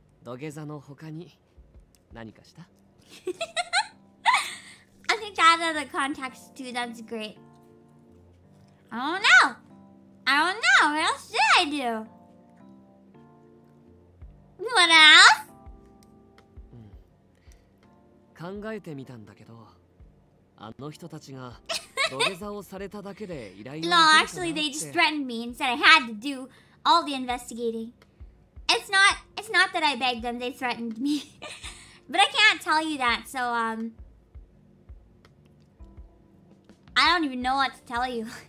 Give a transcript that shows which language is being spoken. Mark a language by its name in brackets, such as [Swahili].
[Japanese] 土下座の他に何かした? [English] I think to add another context too, that's great. I don't know. I don't know. What else did I do? What else? [Japanese] 考えてみたんだけど、あの人たちが土下座をされただけで依頼を受けたなって。 [English] No, actually they just threatened me and said I had to do all the investigating. It's not that I begged them, they threatened me. But I can't tell you that, so, I don't even know what to tell you.